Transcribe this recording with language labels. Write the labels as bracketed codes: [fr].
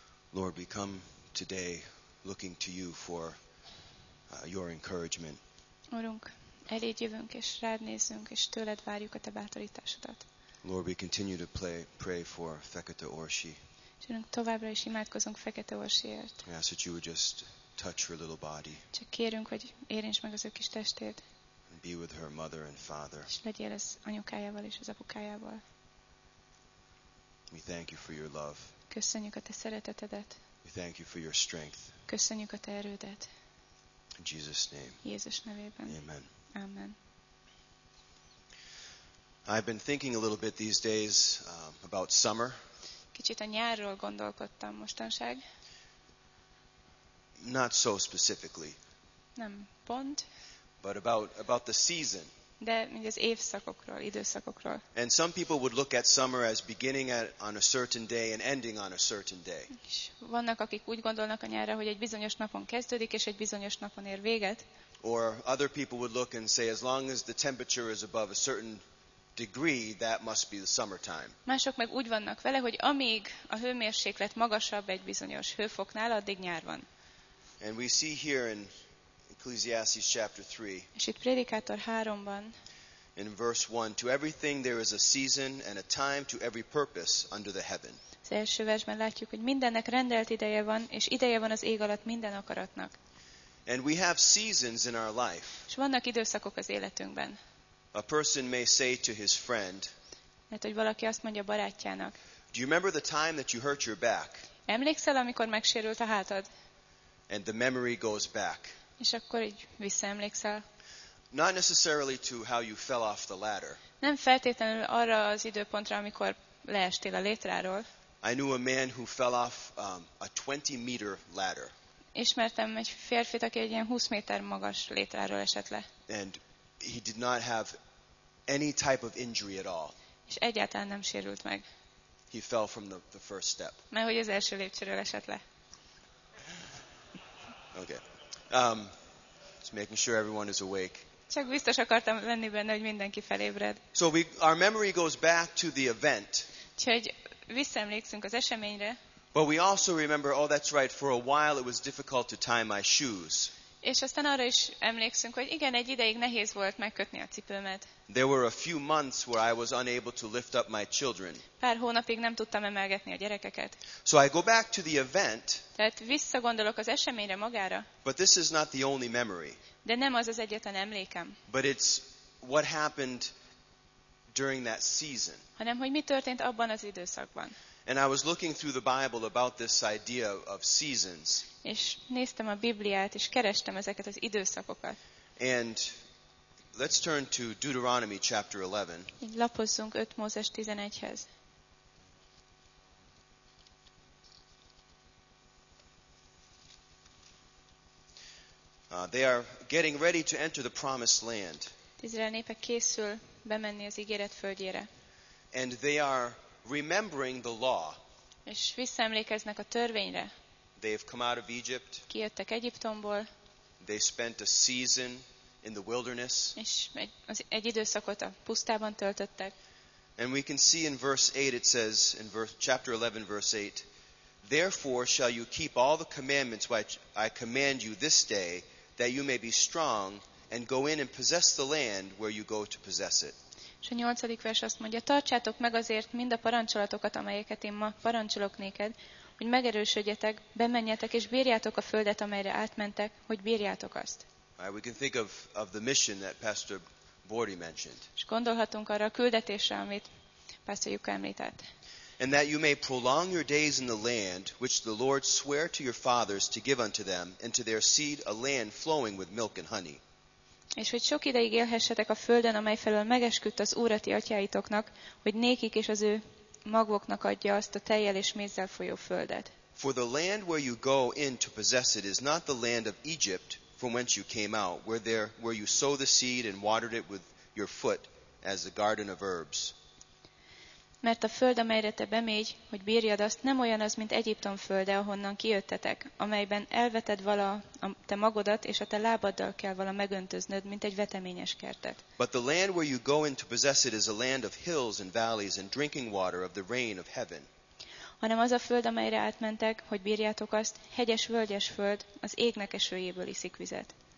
[en] Lord, we come today looking to you for your encouragement. [hu] Urunk, eléd jövünk és rád nézünk és tőled várjuk a te bátorításodat. [en] Lord, we continue to pray for Fekete Orsi. [hu] Urunk, továbbra is imádkozunk Fekete Orsiért. [en] We ask that you would just touch her little body. [hu] Csak kérünk, hogy érints meg az ő kis testét. [en] And be with her mother and father. [hu] És legyél az anyukájával és az apukájával. [en] We thank you for your love. [hu] Köszönjük a te szeretetedet. [en] We thank you for your strength. [hu] Köszönjük a te erődet. [en] In Jesus' name. [hu] Jézus nevében. [en] Amen. [hu] Amen. [en] I've been thinking a little bit these days about summer. [hu] Kicsit a nyárról gondolkodtam mostanság. [en] Not so specifically. [hu] Nem pont. [en] But about the season. [hu] De mind az évszakokról, időszakokról. [en] And some people would look at summer as beginning on a certain day and ending on a certain day. [hu] Vannak, akik úgy gondolnak a nyárra, hogy egy bizonyos napon kezdődik és egy bizonyos napon ér véget. [en] Or other people would look and say as long as the temperature is above a certain degree, that must be the summertime. [hu] Mások meg úgy vannak vele, hogy amíg a hőmérséklet magasabb egy bizonyos hőfoknál, addig nyár van. [en] And we see here in Ecclesiastes chapter 3. [hu] És itt Prédikátor 3-ban. [en] In verse 1, to everything there is a season and a time to every purpose under the heaven. [hu] Az első versben látjuk, hogy mindennek rendelt ideje van, és ideje van az ég alatt minden akaratnak. [en] And we have seasons in our life. [hu] És vannak időszakok az életünkben. [en] A person may say to his friend. [hu] Hát, hogy valaki azt mondja barátjának. [en] Do you remember the time that you hurt your back? [hu] Emlékszel, amikor megsérült a hátad? [en] And the memory goes back. [hu] És akkor így visszaemlékszel. [en] Not necessarily to how you fell off the ladder. [hu] Nem feltétlenül arra az időpontra, amikor leestél a létráról. [en] I knew a man who fell off a 20 meter ladder. [hu] Ismertem egy férfit, aki egy ilyen 20 méter magas létráról esett le. [en] And he did not have any type of injury at all. [hu] És egyáltalán nem sérült meg. [en] He fell from the first step. [hu] Mert hogy az első lépcsőről esett le. [en] Okay. Just making sure everyone is awake. [hu] Csak biztos akartam lenni benne, hogy mindenki felébred. [en] So our memory goes back to the event. [hu] Úgyhogy visszaemlékszünk az eseményre. [en] But we also remember, oh, that's right, for a while it was difficult to tie my shoes. [hu] És aztán arra is emlékszünk, hogy igen, egy ideig nehéz volt megkötni a cipőmet. [en] There were a few months where I was unable to lift up my children. [hu] Pár hónapig nem tudtam emelgetni a gyerekeket. [en] So I go back to the event. [hu] Tehát visszagondolok az eseményre magára. [en] But this is not the only memory. [hu] De nem az az egyetlen emlékem. [en] But it's what happened during that season. [hu] Hanem hogy mi történt abban az időszakban. [en] And I was looking through the Bible about this idea of seasons. [hu] És néztem a Bibliát, és kerestem ezeket az időszakokat. [en] And let's turn to Deuteronomy chapter 11. [hu] Így lapozzunk 5 Mózes 11-hez. [en] They are getting ready to enter the promised land. [hu] Izrael népe készül bemenni az ígéret földjére. [en] And they are remembering the law. [hu] És visszaemlékeznek a törvényre. [en] They've come out of Egypt. [hu] Kijöttek Egyiptomból. [en] They spent a season in the wilderness. [hu] És egy időszakot a pusztában töltöttek. [en] And we can see in verse 8 it says in chapter 11 verse 8, therefore shall you keep all the commandments which I command you this day, that you may be strong and go in and possess the land where you go to possess it. [hu] És a 8. vers azt mondja, tartsátok meg azért mind a parancsolatokat, amelyeket én ma parancsolok néked, hogy megerősödjetek, bemenjetek és bírjátok a földet, amelyre átmentek, hogy bírjátok azt. [en] Right, we can think of the mission that Pastor Bordy mentioned. [hu] És gondolhatunk arra a küldetésre, amit Pastor Juka említett. [en] And that you may prolong your days in the land which the Lord swore to your fathers to give unto them and to their seed, a land flowing with milk and honey. [hu] És hogy sok ideig élhessetek a földön, amely felől megesküdt az Úr a ti atyáitoknak, hogy nékik és az ő magvoknak adja azt a tejjel és mézzel folyó földet. [en] For the land where you go in to possess it is not the land of Egypt from whence you came out, where you sow the seed and watered it with your foot as the garden of herbs. [hu] Mert a föld, amelyre te bemégy, hogy bírjad azt, nem olyan az, mint Egyiptom földe, ahonnan kijöttetek, amelyben elveted vala a te magodat, és a te lábaddal kell vala megöntöznöd, mint egy veteményes kertet. [en] But the land where you go in to possess it is a land of hills and valleys and drinking water of the rain of heaven. [hu] Hanem az a föld, amelyre átmentek, hogy bírjátok azt, hegyes völgyes föld, az égnek esőjéből iszik vizet.